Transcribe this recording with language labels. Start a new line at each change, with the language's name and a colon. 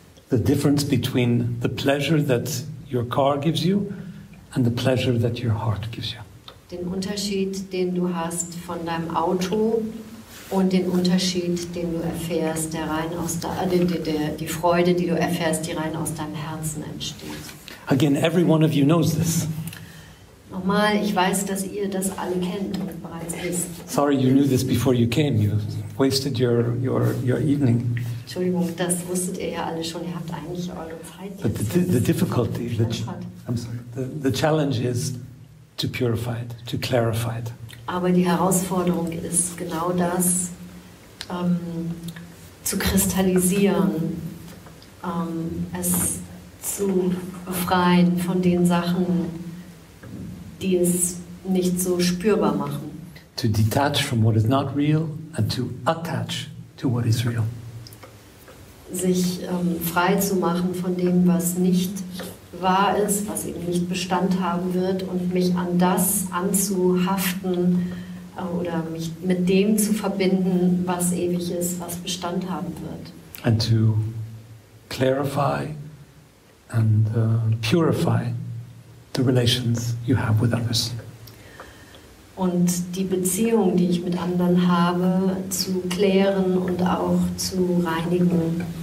English: The difference between the pleasure that your car gives you and the pleasure that your heart gives you.
German: Den Unterschied, den du hast von deinem Auto und den Unterschied, den du erfährst, der rein aus die Freude, die du erfährst, die rein aus deinem Herzen entsteht.
English: Again, every one of you knows this.
German: Nochmal, ich weiß, dass ihr das alle kennt und bereits wisst.
English: Sorry, you knew this before you came. You wasted your evening.
German: Entschuldigung, das wusstet ihr ja alle schon. Ihr habt eigentlich eure Zeit.
English: But the difficulty, the challenge is to purify it, to clarify it.
German: Aber die Herausforderung ist genau das, zu kristallisieren, es zu befreien von den Sachen, die es nicht so spürbar machen.
English: To detach from what is not real and to attach to what is real.
German: Sich frei zu machen von dem, was nicht wahr ist, was eben nicht Bestand haben wird, und mich an das anzuhaften oder mich mit dem zu verbinden, was ewig ist, was Bestand haben wird.
English: And to clarify and purify the relations you have with others.
German: Und die Beziehung, die ich mit anderen habe, zu klären und auch zu reinigen.